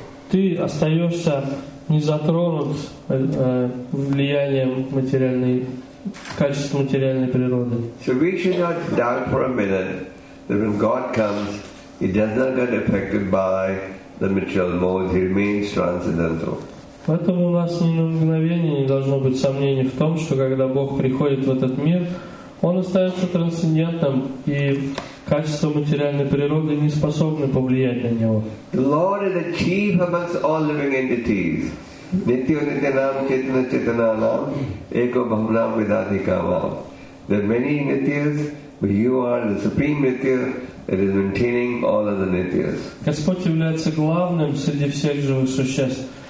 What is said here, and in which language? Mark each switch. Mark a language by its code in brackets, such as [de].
[ru] Ты остаешься не затронут влиянием материальной, качеством материальной природы. [en] So we should not doubt for a minute that when God comes, he does not get affected by the material modes, he remains transcendental. [ru] Поэтому у нас ни на мгновение не должно быть сомнений в том, что когда Бог приходит в этот мир, Он остается трансцендентным, и качество материальной природы не способны повлиять на Него. [en] The Lord is the chief amongst all living entities. [sa] Nityo nityanam chetana chetananam eko bhamnam vidadhikamam. [en] There are many nityas, but you are the supreme nitya. It is maintaining all other nityas. [ru] Господь является главным среди всех живых существ.